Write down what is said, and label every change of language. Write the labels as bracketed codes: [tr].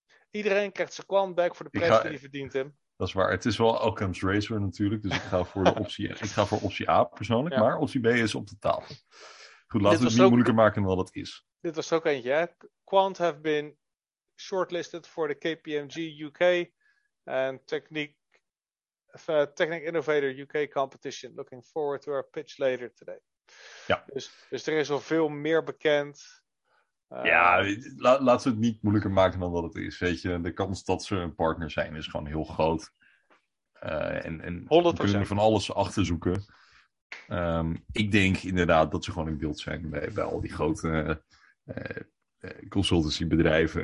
[nl] Iedereen krijgt zijn quant back voor de prijs die hij verdient, Tim. Dat is waar, het is wel Occam's Razor natuurlijk, dus ik ga voor de optie, ik ga voor optie A persoonlijk, ja. Maar optie B is op de tafel. Goed, laten we het niet ook moeilijker maken dan dat is. Dit was ook eentje, hè? [en] Quant have been shortlisted for the KPMG UK and Technic Innovator UK Competition. Looking forward to our pitch later today. [nl] Ja. Dus er is al veel meer bekend. Laten we het niet moeilijker maken dan dat het is. Weet je, de kans dat ze een partner zijn is gewoon heel groot. En 100%. We kunnen er van alles achter zoeken. Ik denk inderdaad dat ze gewoon in beeld zijn bij al die grote consultancybedrijven.